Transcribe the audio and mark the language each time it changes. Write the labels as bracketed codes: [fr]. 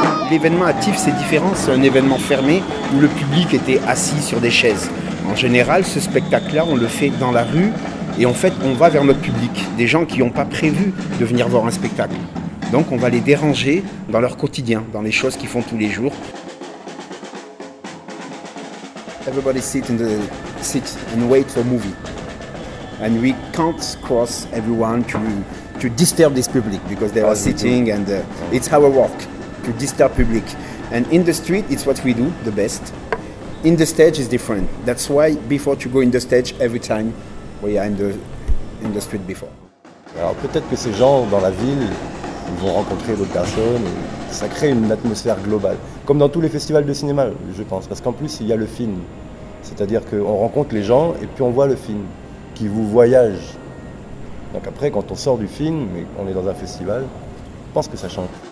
[fr] L'événement à Tif, c'est différent, c'est un événement fermé où le public était assis sur des chaises. En général, ce spectacle-là, on le fait dans la rue et en fait, on va vers notre public, des gens qui n'ont pas prévu de venir voir un spectacle. Donc, on va les déranger dans leur quotidien, dans les choses qu'ils font tous les jours. [en] Everybody sit and wait for a movie. And we can't cross everyone to disturb this public because they are sitting and it's our work to disturb public. And in the street, it's what we do the best. In the stage is different. That's why before to go in the stage every time we are in the street before. [fr] Alors peut-être que ces gens dans la ville vont rencontrer d'autres personnes et ça crée une atmosphère globale. Comme dans tous les festivals de cinéma, je pense. Parce qu'en plus, il y a le film. C'est-à-dire qu'on rencontre les gens et puis on voit le film qui vous voyage. Donc après, quand on sort du film et on est dans un festival, je pense que ça change.